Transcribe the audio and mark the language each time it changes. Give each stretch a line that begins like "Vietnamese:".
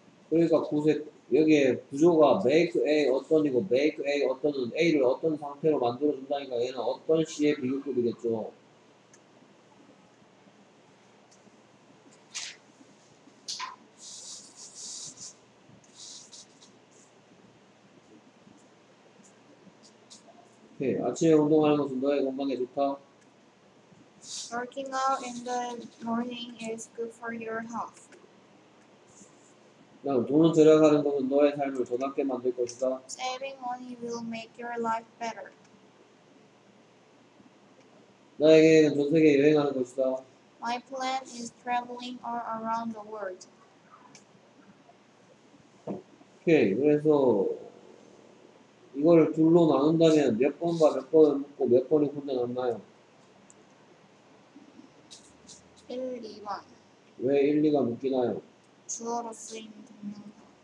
Korean: 그러니까 구세, 여기에 구조가 make A 어떤이고 make A 어떤은 A를 어떤 상태로 만들어준다니까 얘는 어떤 시의 비교급이겠죠. 오케이. 아침에 운동하는 것은 너의 건강에 좋다.
English: Working out in the morning is good for your health.
Korean: 그럼 돈을 들여가는 것은 너의 삶을 더 낫게 만들 것이다.
English: Saving money will make your life better.
Korean: 나에게는 전 세계 여행하는 것이다.
English: My plan is traveling all around the world.
Korean: 오케이. 그래서 이거를 둘로 나눈다면 몇 번과 몇 번을 묻고 몇 번이 혼자 남나요? 1, 2번. 왜 1, 2가 묶이나요? 주어로 쓰인 동명사.